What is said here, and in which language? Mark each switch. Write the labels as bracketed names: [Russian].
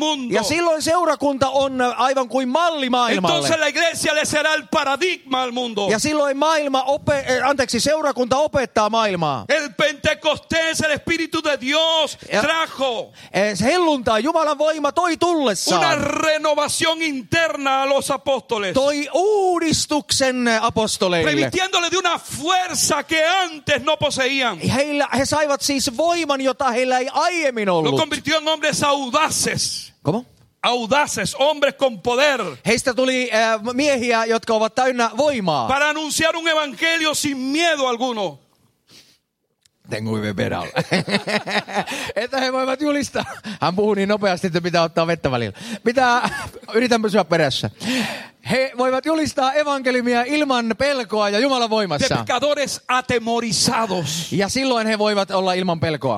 [Finnish] Ja silloin seurakunta on aivan kuin malli maailmalle. Ja silloin seurakunta opettaa maailmaa. [Spanish] El Pentecostés, el Espíritu de Dios trajo. [Finnish] Helluntai, Jumalan voima toi tullessaan. [Spanish] Una renovación interna a los apóstoles. [Finnish] Toi uudistuksen apostoleille. [Spanish] Permitiéndole de una fuerza que antes no poseían. [Finnish] He saivat siis voiman, jota heillä ei aiemmin ollut. [Spanish] Lo convirtió en hombres audaces. ¿Cómo? Audaces, hombres con poder. [Finnish] Heistä tuli miehiä, jotka ovat täynnä voimaa. [Spanish] Para anunciar un evangelio sin miedo alguno. Tengo que beber algo. [Finnish] Että he voivat julistaa. Hän puhuu niin nopeasti, että pitää ottaa vettä välillä. Yritän pysyä perässä. He voivat julistaa evankeliumia ilman pelkoa ja Jumalan voimassa. [Spanish] Pecadores atemorizados. [Finnish] Ja silloin he voivat olla ilman pelkoa.